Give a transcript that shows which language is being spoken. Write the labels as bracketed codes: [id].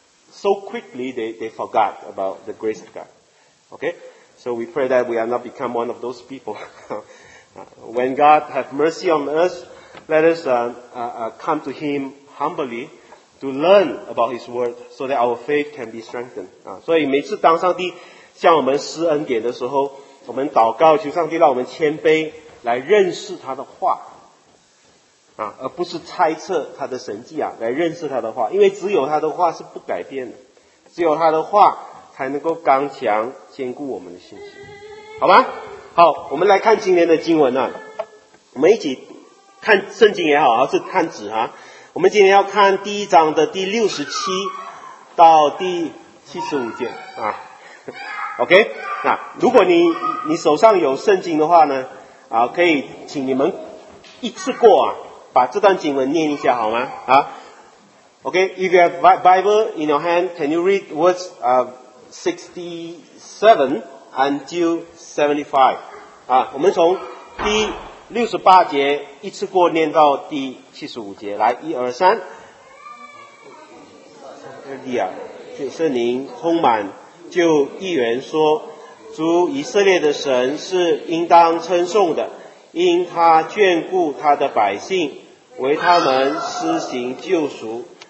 [en] So quickly they forgot about the grace of God. Okay? So we pray that we are not become one of those people. When God have mercy on us, let us come to Him humbly to learn about His word so that our faith can be strengthened. [zh] 所以每次当上帝向我们施恩典的时候，我们祷告求上帝让我们谦卑来认识他的话啊，而不是猜测他的神迹啊，来认识他的话。因为只有他的话是不改变的，只有他的话才能够刚强坚固我们的信心，好吗？好，我们来看今天的经文啊，我们一起看圣经也好，还是看纸啊，我们今天要看第一章的第67到第75节啊。 OK, 那如果你手上有圣经的话呢，啊，可以请你们一次过啊，把这段经文念一下好吗？ [en] 啊 ，OK, if you have Bible in your hand, can you read words 67 until 75? [zh] 啊，我们从第68节一次过念到第75节，来，一二三，二弟啊，就圣灵充满。就一元说，主以色列的神是应当称颂的，因他眷顾他的百姓，为他们施行救赎，